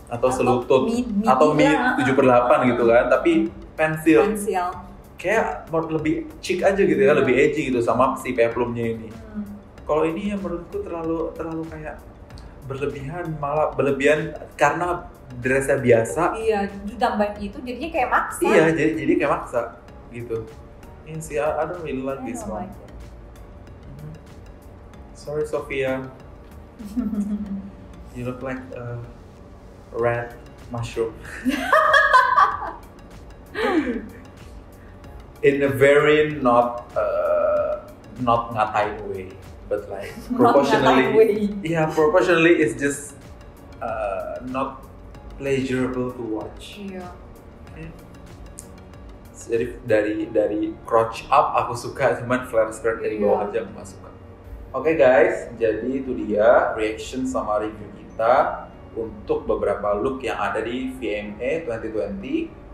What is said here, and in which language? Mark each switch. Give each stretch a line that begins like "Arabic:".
Indonesian: Atau selutut atau mid 7/8 gitu kan, tapi pensil. Kayak lebih chic aja gitu ya, lebih edgy gitu sama si peplumnya ini. Kalau ini ya menurutku terlalu kayak berlebihan, malah berlebihan karena dressnya biasa. Iya, ditambahin itu jadinya kayak maksa. Iya, jadi kayak maksa gitu. Ini sih,
English: I don't really like this one. Sorry Sophia. You look like a red mushroom. In a very not ngatain way, but like proportionally, proportionally it's just not pleasurable to watch. Yeah.
Indonesian: Okay. Jadi dari crotch up aku suka, cuman flare skirt dari bawah aja aku gak suka. Okay guys, jadi itu dia reaction sama review kita untuk beberapa look yang ada di VMA 2020.